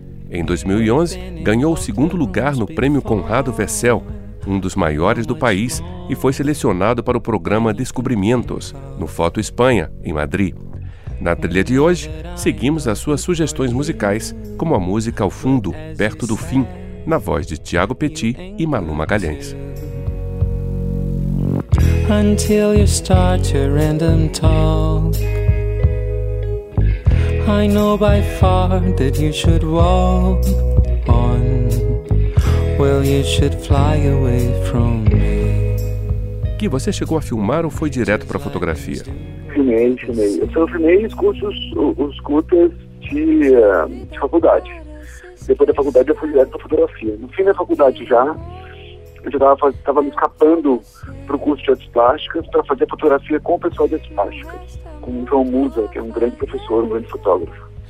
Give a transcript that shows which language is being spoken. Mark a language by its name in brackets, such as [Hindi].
[Portuguese] Em 2011, ganhou o segundo lugar no Prêmio Conrado Vessel, um dos maiores do país, e foi selecionado para o programa Descobrimentos, no Foto Espanha, em Madrid. Na trilha de hoje, seguimos as suas sugestões musicais, como a música Ao Fundo, Perto do Fim, na voz de Thiago Petit e Malu Magalhães. [English] Until you start your random talk, I know by far that you should walk on. Well, you should fly away from me. [Portuguese] Que você chegou a filmar ou foi direto para a fotografia? Filmei. Eu filmei os cursos de faculdade. Depois da faculdade eu fui direto para fotografia. No fim da faculdade já, eu já estava me escapando para o curso de artes plásticas para fazer fotografia com o pessoal de artes plásticas, com o João Musa, que é um grande professor, um grande fotógrafo.